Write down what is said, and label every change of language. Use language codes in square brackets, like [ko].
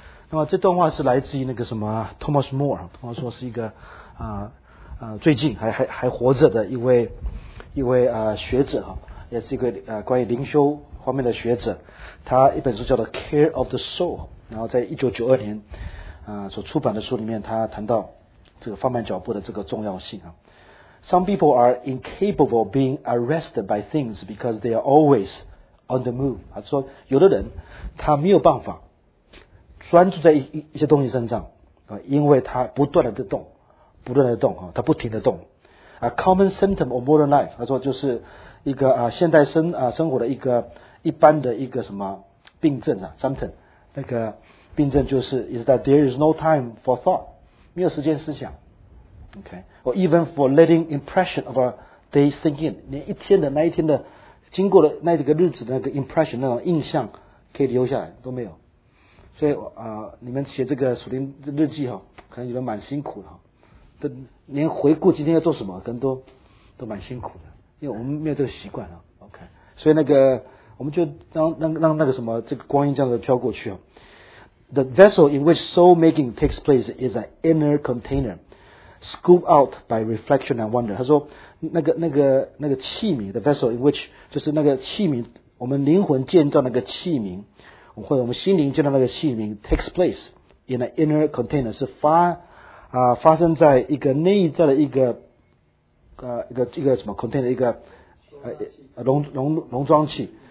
[zh] 那么这段话是来自于那个什么 Thomas More， 通常说是一个最近还活着的一位学者哈，也是一个关于灵修方面的学者，他一本书叫做 Care of the Soul， 然后在1992年所出版的书里面，他谈到这个放慢脚步的这个重要性啊。 [en] Some people are incapable being arrested by things because they are always on the move。 [zh] 他说有的人他没有办法专注在一些东西身上啊，因为他不断的动，他不停的动。 [en] A common symptom of modern life， [zh] 他说就是一个现代生活的一个一般的一个什么病症啊 ，symptom， 那个病症就是 [en] is that there is no time for thought， [zh] 没有时间思想，OK， [en] or even for letting impression of a day thinking， [zh] 连一天的那一天的经过的那几个日子的那个 impression 那种印象可以留下来都没有，所以你们写这个属灵日记哈，可能有的蛮辛苦的哈，都连回顾今天要做什么，可能都蛮辛苦的，因为我们没有这个习惯啊 ，OK， 所以那个。我们就让那个什么这个光阴这样的飘过去啊。 [en] The vessel in which soul making takes place is an inner container, scooped out by reflection and wonder. [zh] 他说那个器皿 ， [en] the vessel in which [zh] 就是那个器皿，我们灵魂建造那个器皿，或者我们心灵建造那个器皿 ， [en] takes place in an inner container [zh] 是发生在一个内在的一个什么 container 容装器。